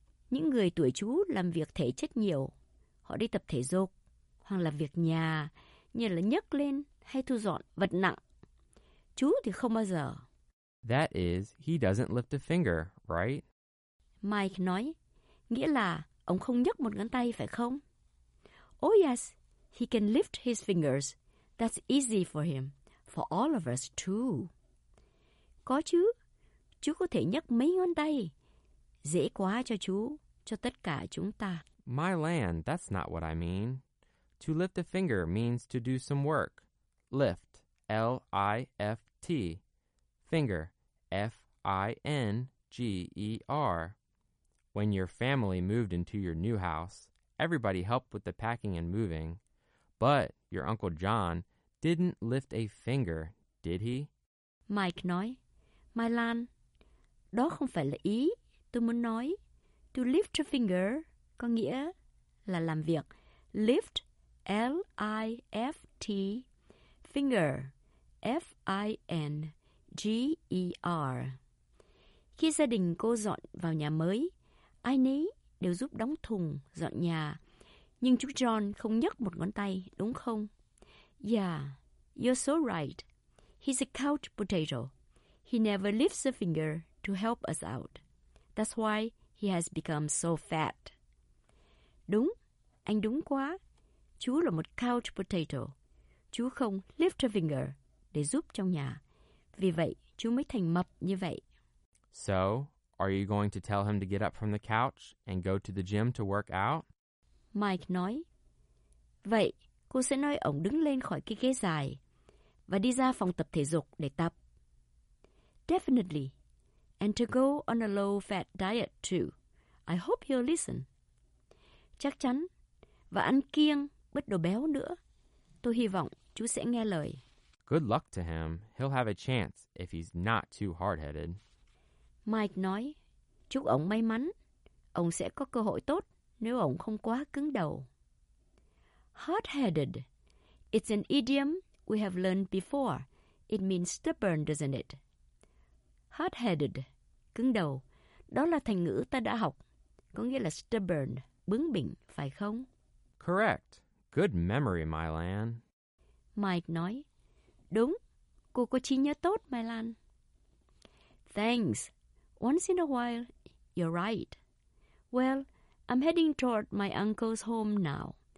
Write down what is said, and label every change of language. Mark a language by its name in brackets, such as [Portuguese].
[Vietnamese] Những người tuổi chú làm việc thể chất nhiều. Họ đi tập thể dục, hoặc là việc nhà, như là nhấc lên hay thu dọn vật nặng. Chú thì không bao giờ. [English] That is, he doesn't lift a finger, right? [Vietnamese] Mike nói, nghĩa là ông không nhấc một ngón tay phải không? [English] Oh yes, he can lift his fingers. That's easy for him, for all of us too. [Vietnamese] Có chứ, chú có thể nhấc mấy ngón tay. Dễ quá cho chú, cho tất cả chúng ta. [English] My land, that's not what I mean. To lift a finger means to do some work. Lift, L-I-F-T. Finger, F-I-N-G-E-R. When your family moved into your new house, everybody helped with the packing and moving. But your Uncle John didn't lift a finger, did he? [Vietnamese] Mike nói, My Lan, đó không phải là ý tôi muốn nói. To lift a finger có nghĩa là làm việc. [English] Lift, L-I-F-T. Finger, F-I-N-G-E-R. [Vietnamese] Khi gia đình cô dọn vào nhà mới, ai nấy đều giúp đóng thùng, dọn nhà. Nhưng chú John không nhấc một ngón tay, đúng không? [English] Yeah, you're so right. He's a couch potato. He never lifts a finger to help us out. That's why he has become so fat. [Vietnamese] Đúng, anh đúng quá. Chú là một couch potato. Chú không lift a finger để giúp trong nhà. Vì vậy, chú mới thành mập như vậy. [English] So, are you going to tell him to get up from the couch and go to the gym to work out? [Vietnamese] Mike nói. Vậy, cô sẽ nói ông đứng lên khỏi cái ghế dài và đi ra phòng tập thể dục để tập. [English] Definitely. And to go on a low-fat diet too. I hope he'll listen. [Vietnamese] Chắc chắn. Và ăn kiêng, bớt đồ béo nữa. Tôi hy vọng chú sẽ nghe lời. [English] Good luck to him. He'll have a chance if he's not too hard-headed. [Vietnamese] Mike nói, chúc ông may mắn. Ông sẽ có cơ hội tốt nếu ông không quá cứng đầu. [English] Hard-headed. It's an idiom we have learned before. It means stubborn, doesn't it? [Vietnamese] Hard-headed. Cứng đầu. Đó là thành ngữ ta đã học. Có nghĩa là stubborn. Bướng bỉnh, phải không? [English] Correct. Good memory, my Lan. [Vietnamese] Mike nói, đúng, cô có trí nhớ tốt, my Lan. [English] Thanks. Once in a while, You're right. Well, I'm heading toward my uncle's home now.